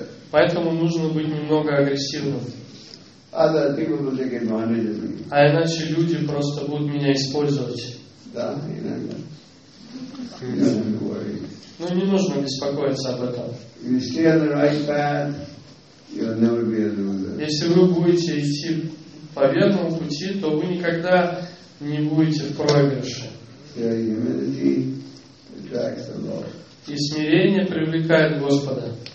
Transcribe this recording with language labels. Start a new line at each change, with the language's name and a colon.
Russian: Поэтому нужно быть немного агрессивным.
English: Other people will take advantage of me.
Russian: А иначе люди просто будут меня использовать. Да, иногда. Ну, не нужно беспокоиться об этом.
English: You stay on the right path, you'll never be a loser.
Russian: Если вы будете идти по верному пути, то вы никогда не будете в проигрыше.
English: Yeah, humility attracts the Lord.
Russian: И смирение привлекает Господа.